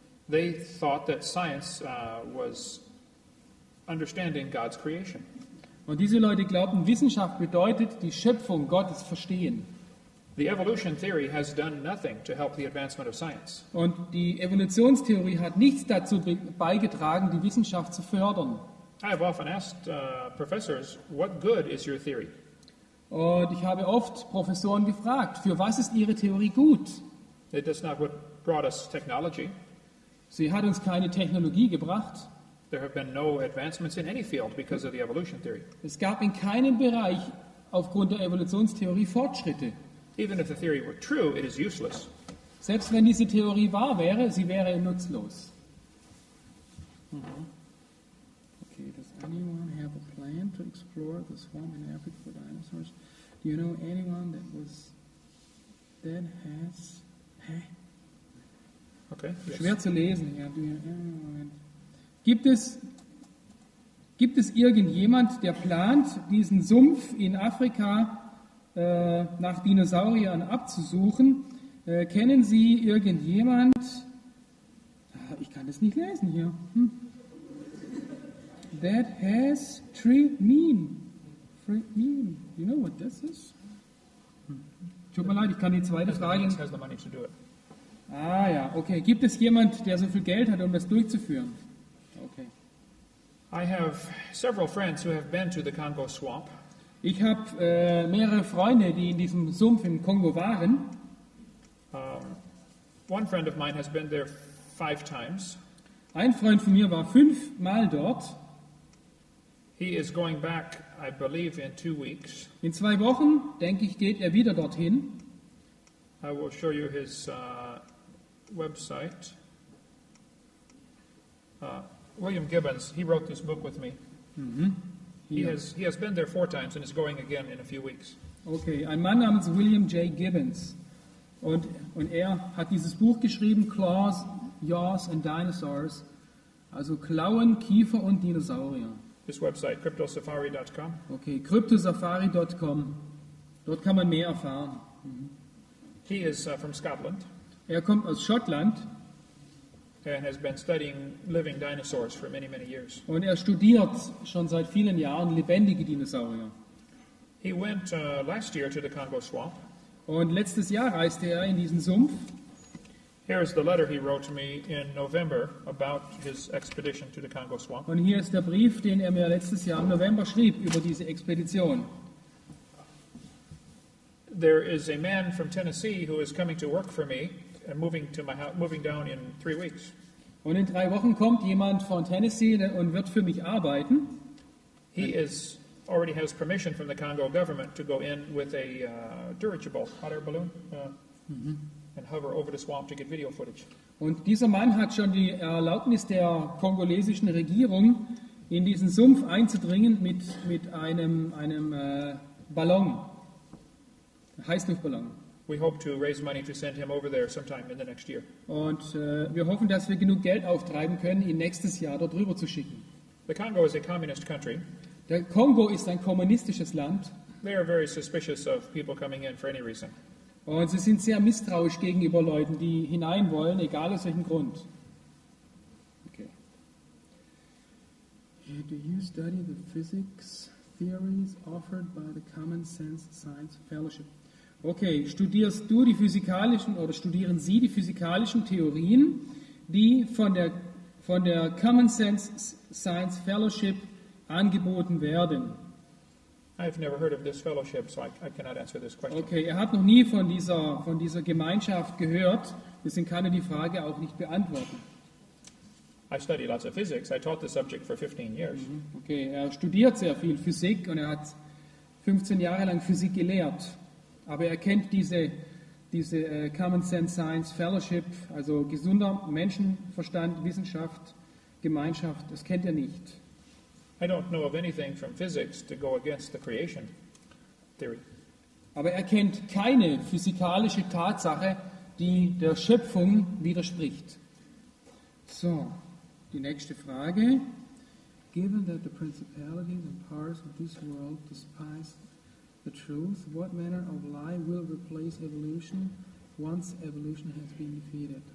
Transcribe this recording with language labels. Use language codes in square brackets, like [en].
[en] They thought that science was understanding God's creation. [de] Und diese Leute glaubten, Wissenschaft bedeutet die Schöpfung Gottes verstehen. [en] The evolution theory has done nothing to help the advancement of science. [de] Und die Evolutionstheorie hat nichts dazu beigetragen, die Wissenschaft zu fördern. [en] I have often asked professors, what good is your theory? [de] Und ich habe oft Professoren gefragt, für was ist ihre Theorie gut? [en] It is not what brought us technology. [de] Sie hat uns keine Technologie gebracht. [en] There have been no advancements in any field because of the evolution theory. [de] Es gab in keinem Bereich aufgrund der Evolutionstheorie Fortschritte. [en] Even if the theory were true, it is useless. [de] Selbst wenn diese Theorie wahr wäre, sie wäre nutzlos. [en] Okay, does anyone have a plan to explore the swamp in Africa for dinosaurs? Do you know anyone that was then has? Okay. Yes. [de] Schwer zu lesen. Ja, [en] do you know anyone? [de] Gibt es irgendjemand, der plant, diesen Sumpf in Afrika nach Dinosauriern abzusuchen? Kennen Sie irgendjemand? Ich kann das nicht lesen hier. [en] That has tree mean. Tree mean. You know what this is? [de] Tut mir leid, ich kann die zweite Frage. Ah ja, okay. Gibt es jemand, der so viel Geld hat, um das durchzuführen? Okay. [en] I have several friends who have been to the Congo swamp. [de] Ich habe mehrere Freunde, die in diesem Sumpf im Kongo waren. [en] One friend of mine has been there 5 times. [de] Ein Freund von mir war 5 Mal dort. [en] He is going back, I believe, in 2 weeks. [de] In 2 Wochen, denke ich, geht er wieder dorthin. [en] I will show you his website. William Gibbons, he wrote this book with me. Mm-hmm. He has been there 4 times and is going again in a few weeks. [de] Okay, ein Mann namens William J. Gibbons. Und er hat dieses Buch geschrieben, Claws, Jaws and Dinosaurs. Also Klauen, Kiefer und Dinosaurier. [en] This website, cryptosafari.com. [de] Okay, cryptosafari.com. Dort kann man mehr erfahren. [en] Mm-hmm. He is from Scotland. [de] Er kommt aus Schottland. [en] And has been studying living dinosaurs for many, many years. [de] Und er studiert schon seit vielen Jahren lebendige Dinosaurier. [en] He went last year to the Congo swamp. [de] Und letztes Jahr reiste er in diesen Sumpf. [en] Here is the letter he wrote to me in November about his expedition to the Congo swamp. [de] Und hier ist der Brief, den er mir letztes Jahr im November schrieb über diese Expedition. [en] There is a man from Tennessee who is coming to work for me. And moving to my house, moving down in 3 weeks. [de] Und in 3 Wochen kommt jemand von Tennessee und wird für mich arbeiten. [en] He is already has permission from the Congo government to go in with a dirigible hot air balloon and hover over the swamp to get video footage. [de] Und dieser Mann hat schon die Erlaubnis der kongolesischen Regierung, in diesen Sumpf einzudringen mit einem Ballon, Heißluftballon. [en] We hope to raise money to send him over there sometime in the next year. [de] Und wir hoffen, dass wir genug Geld auftreiben können, ihn nächstes Jahr dort rüber zu schicken. [en] The Congo is a communist country. [de] Der Kongo ist ein kommunistisches Land. [en] They are very suspicious of people coming in for any reason. [de] Und sie sind sehr misstrauisch gegenüber Leuten, die hinein wollen, egal aus welchem Grund. Okay. [en] Do you study the physics theories offered by the Common Sense Science Fellowship? [de] Okay, studierst du die physikalischen oder studieren Sie die physikalischen Theorien, die von der Common Sense Science Fellowship angeboten werden? [en] I've never heard of this fellowship, so I cannot answer this question. [de] Okay, er hat noch nie von dieser Gemeinschaft gehört, deswegen kann er die Frage auch nicht beantworten. [en] I study lots of physics. I taught the subject for 15 years. [de] Okay, er studiert sehr viel Physik und er hat 15 Jahre lang Physik gelehrt. Aber er kennt diese Common Sense Science Fellowship, also gesunder Menschenverstand, Wissenschaft, Gemeinschaft, das kennt er nicht. [en] I don't know of anything from physics to go against the creation theory. [de] Aber er kennt keine physikalische Tatsache, die der Schöpfung widerspricht. So, die nächste Frage. [en] Given that the principalities and powers of this world despise the truth, what manner of lie will replace evolution once evolution has been defeated?